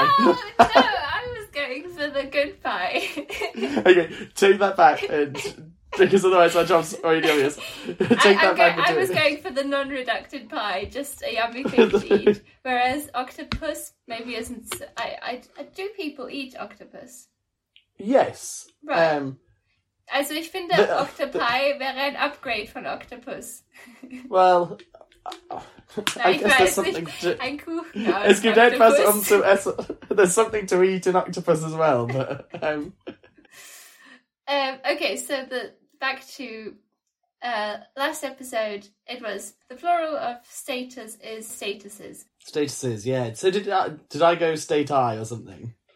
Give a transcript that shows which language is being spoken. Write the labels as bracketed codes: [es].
[en] Oh, no, I was going for the good pie. Okay, take that back, and because otherwise my job's already obvious. I was going for the non-redacted pie, just a yummy thing to eat. Whereas octopus maybe isn't... Do people eat octopus? Yes. Right. [de] Also, ich finde, octopi wäre ein Upgrade von octopus. [en] Well... [de] Nein, ich weiß nicht. Ein Kuchen. Es gibt etwas, um zu essen. [en] there's something to eat in octopus as well. But okay, so the back to last episode, it was the plural of status is statuses. Statuses, yeah. So did I go state I or something?